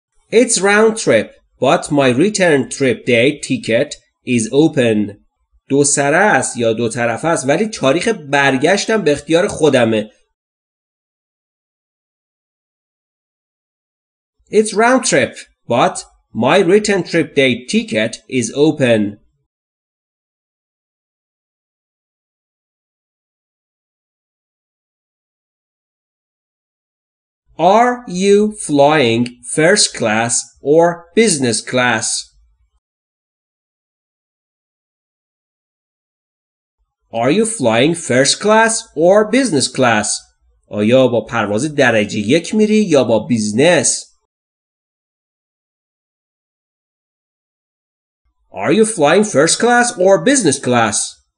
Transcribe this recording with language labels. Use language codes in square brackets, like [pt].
[en] It's round trip, but my return trip date ticket is open. [fa] دو سره است یا دو طرفه است ولی تاریخ برگشتم به اختیار خودمه. [en] It's round trip, but my return trip date ticket is open. Are you flying first class or business class? Are you flying first class or business class? [fa] آیا با پرواز درجه یک میری یا با بیزنس؟ [en] Are you flying first class or business class?